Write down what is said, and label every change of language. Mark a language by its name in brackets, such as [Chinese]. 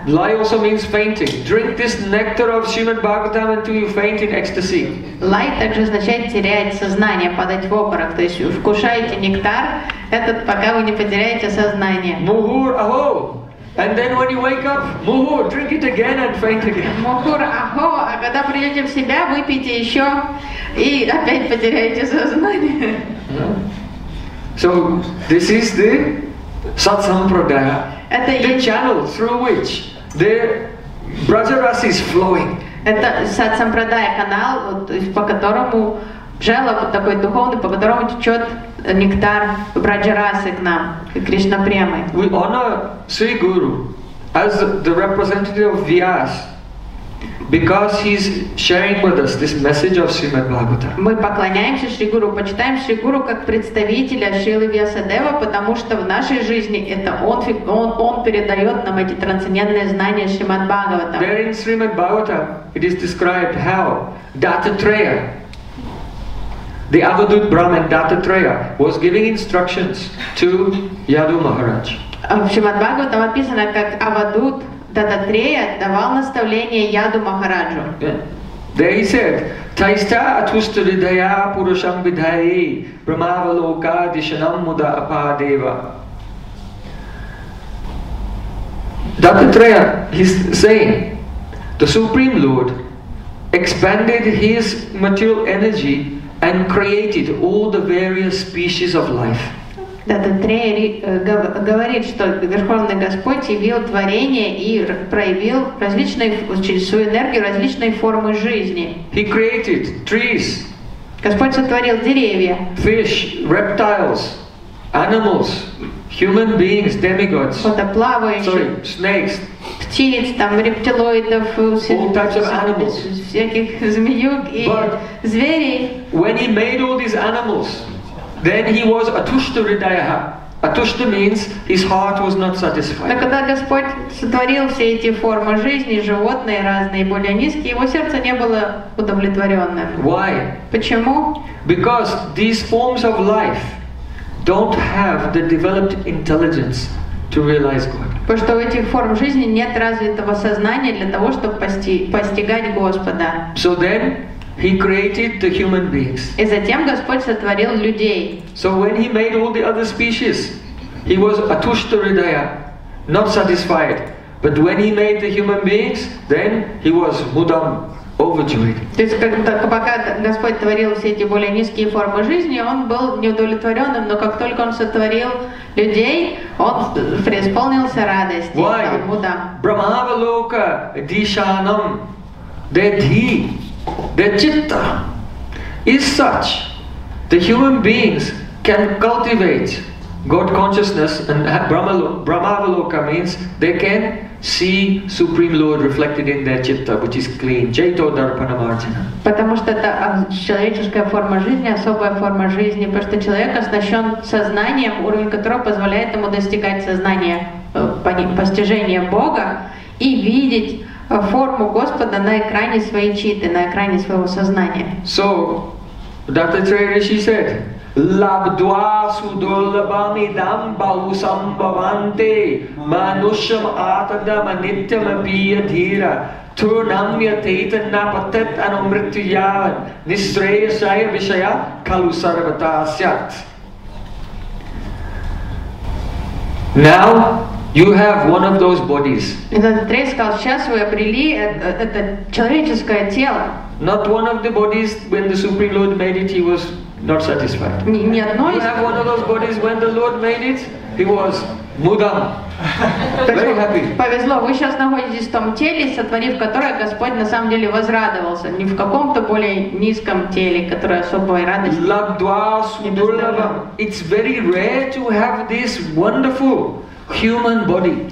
[English] Lay also means fainting. Drink this nectar of Srimad Bhagavatam until you faint in ecstasy. [Russian] Lay также означает терять сознание, падать в обморок, то есть вкушайте нектар этот, пока вы не потеряете сознание. [Sanskrit] Muhur aho. [English] And then when you wake up, muhur, drink it again and faint again. [Sanskrit] Muhur, aho, [Russian] а когда придете в себя, выпейте еще и опять потеряете сознание. [English] So this is the satsampradaya, the channel through which the brajaras is flowing. [Russian] Это satsampradaya канал, по которому желоб такой духовный, по которому течет нектар Браджарасы к нам, Кришна Премы. [English] We honor Sri Guru as the representative of Vyas because he's sharing with us this message of Srimad Bhagavatam. [Russian] Мы поклоняемся Шри Гуру, почитаем Шри Гуру как представителя Шрилы Вьясадева, потому что в нашей жизни это он передает нам эти трансцендентные знания Шримад Бхагаватам. [English] There in Srimad Bhagavatam it is described how Dattatreya, the Avadhut Brahman Dattatreya, was giving instructions to Yadu Maharaj. [Russian] В Шримад Бхагаватам описано, как Авадут Дататрея давал наставление Яду Махараджу. [English] There he said, [Sanskrit] Taista Atustridaya Purusham Vidhai Brahmavaloka Dishanam Muda Apadeva. [English] Dattatreya, he's saying, the Supreme Lord expanded his material energy and created all the various species of life. [Russian] Дататрея говорит, что Верховный Господь явил творение и проявил различные через свою энергию различные формы жизни. [English] He created trees. [Russian] Господь сотворил деревья. [English] Fish, reptiles, animals, human beings, demigods. [Russian] Водоплавающие. [English] Sorry, snakes. [Russian] Птиц, там рептилоидов, всяких змеюк и зверей. [English] When he made all these animals, then he was atushtaridayaha. Atushta means his heart was not satisfied. [Russian] Но когда Господь сотворил все эти формы жизни, животные разные, более низкие, его сердце не было удовлетворенным. [English] Why? [Russian] Почему? [English] Because these forms of life don't have the developed intelligence to realize God. [Russian] Потому что у этих форм жизни нет развитого сознания для того, чтобы постигать Господа. [English] So then he created the human beings. [Russian] И затем Господь сотворил людей. [English] So when he made all the other species, he was atushtaridaya, not satisfied. But when he made the human beings, then he was mudam, overjoyed. [Russian] То есть пока Господь творил все эти более низкие формы жизни, он был неудовлетворенным, но как только он сотворил людей, он преисполнился радостью. [English] Why? [Sanskrit] Brahmavaloka dishanam, [English] their dhi, their chitta is such that human beings can cultivate God consciousness, and Brahmavaloka means they can see Supreme Lord reflected in their chitta, which is clean. [Sanskrit] Chaito darpana marjana. [Russian] Потому что это человеческая форма жизни, особая форма жизни, потому что человек оснащен сознанием, уровень которого позволяет ему достигать сознания, постижения Бога и видеть форму Господа на экране своей читы, на экране своего сознания. [English] So, Dattatreya she said, [Sanskrit] Labdwa sudolabam idam bahu sambhavante manushyam atadam anityam apiyadhira turnamya taitanna patat anumrityavan nisreyasaya vishaya kalu sarvata asyat. [English] Now you have one of those bodies. [Russian] Сейчас вы обрели это человеческое тело. [English] Not one of the bodies when the Supreme Lord made it, he was not satisfied. [Russian] Не одно из. [English] You have one of those bodies when the Lord made it, he was Мудам. Very happy. [Russian] Повезло, вы сейчас находитесь в том теле, сотворив которое Господь на самом деле возрадовался, не в каком-то более низком теле, которое особой радости. [Sanskrit] Лабдва судулабам. [English] It's very rare to have this wonderful human body.